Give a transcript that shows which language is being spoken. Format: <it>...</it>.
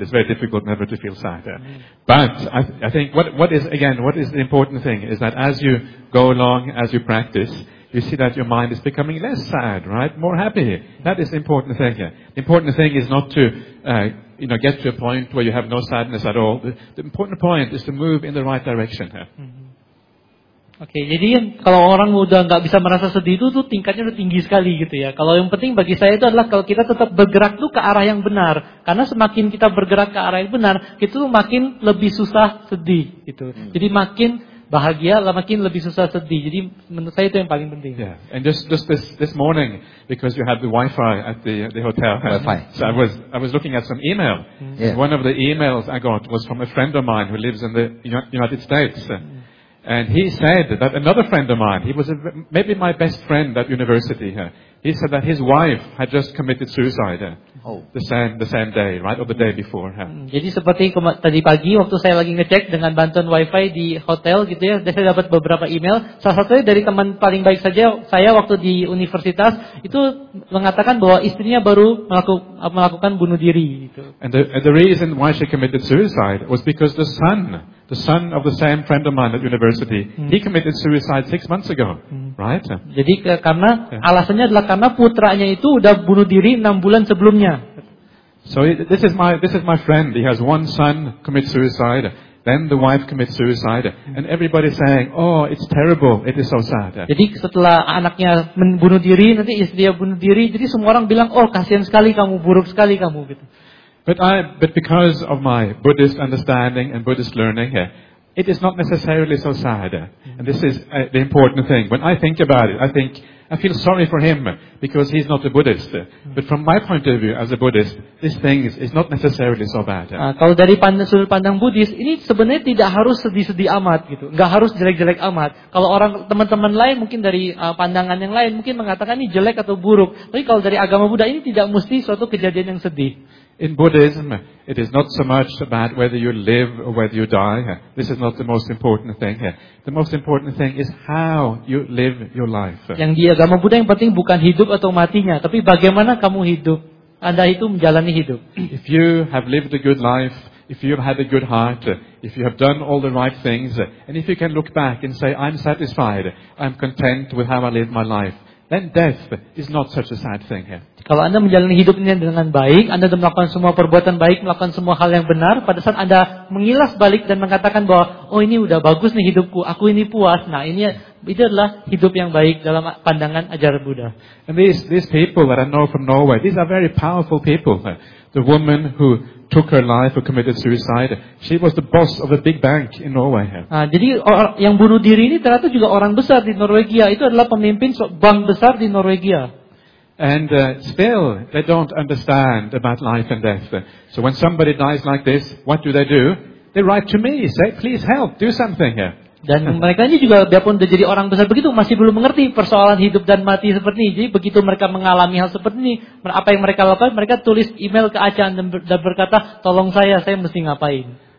<en>It's very difficult never to feel sad. Yeah. But I think what is the important thing is that as you go along, as you practice, you see that your mind is becoming less sad, right? More happy. That is the important thing here. The important thing is not to get to a point where you have no sadness at all. The important point is to move in the right direction here.</en> <id>Okay, jadi kalau orang muda enggak bisa merasa sedih itu tuh tingkatnya udah tinggi sekali gitu ya. Kalau yang penting bagi saya itu adalah kalau kita tetap bergerak tuh ke arah yang benar. Karena semakin kita bergerak ke arah yang benar, itu makin lebih susah sedih gitu. Jadi makin bahagia, makin lebih susah sedih. Jadi menurut saya itu yang paling penting.</id> <en>Yeah. And just this morning because you had the Wi-Fi at the hotel. Wi-Fi. So I was looking at some email. Yeah. One of the emails I got was from a friend of mine who lives in the United States. And he said that another friend of mine, he was maybe my best friend at university, he said that his wife had just committed suicide the same day, right, or the day before.</en> <id>Jadi seperti tadi pagi waktu saya lagi ngecek dengan bantuan wifi di hotel gitu ya, saya dapat beberapa email. Salah satunya dari teman paling baik saja saya waktu di universitas itu mengatakan bahwa istrinya baru melakukan bunuh diri. Gitu.</id> <en>And the reason why she committed suicide was because the son of the same friend of mine at university, he committed suicide 6 months ago, right?</en> <id>Jadi karena alasannya adalah karena putranya itu udah bunuh diri 6 bulan sebelumnya.</id> <en>So this is my friend. He has one son commit suicide, then the wife commits suicide, and everybody saying, oh, it's terrible, it is so sad.</en> <id>Jadi setelah anaknya bunuh diri, nanti istrinya bunuh diri, jadi semua orang bilang, oh, kasihan sekali kamu, buruk sekali kamu, gitu.</id> <en>But because of my Buddhist understanding and Buddhist learning, it is not necessarily so sad. And this is the important thing. When I think about it, I feel sorry for him because he's not a Buddhist. But from my point of view as a Buddhist, this thing is not necessarily so bad.</en> <id>Kalau dari sudut pandang Buddhist, ini sebenarnya tidak harus sedih-sedih amat gitu. Enggak harus jelek-jelek amat. Kalau orang teman-teman lain mungkin dari pandangan yang lain mungkin mengatakan ini jelek atau buruk. Tapi kalau dari agama Buddha ini tidak mesti suatu kejadian yang sedih.</id> <en>In Buddhism, it is not so much about whether you live or whether you die. This is not the most important thing. The most important thing is how you live your life.</en> <id>Yang di agama Buddha yang penting bukan hidup atau matinya, tapi bagaimana kamu hidup. Anda itu menjalani hidup.</id> <en>If you have lived a good life, if you have had a good heart, if you have done all the right things, and if you can look back and say, I'm satisfied, I'm content with how I live my life, then death is not such a sad thing here.</en> <id>Kalau Anda menjalani hidup ini dengan baik, Anda melakukan semua perbuatan baik, melakukan semua hal yang benar, pada saat Anda mengilas balik dan mengatakan bahwa, oh ini udah bagus nih hidupku, aku ini puas, nah ini itu adalah hidup yang baik dalam pandangan ajaran Buddha.</id> <en>And these people that I know from Norway, these are very powerful people. The woman who took her life or committed suicide, she was the boss of a big bank in Norway.</en> <id>Jadi yang bunuh diri ini ternyata juga orang besar di Norwegia, itu adalah pemimpin bank besar di Norwegia.</id> <en>And still, they don't understand about life and death. So when somebody dies like this, what do? They write to me, say, please help, do something here.</en> <id>Dan mereka ini juga, biarpun sudah jadi orang besar begitu, masih belum mengerti persoalan hidup dan mati seperti ini. Jadi begitu mereka mengalami hal seperti ini, apa yang mereka lakukan, mereka tulis email ke Achan dan berkata, tolong saya mesti ngapain.</id>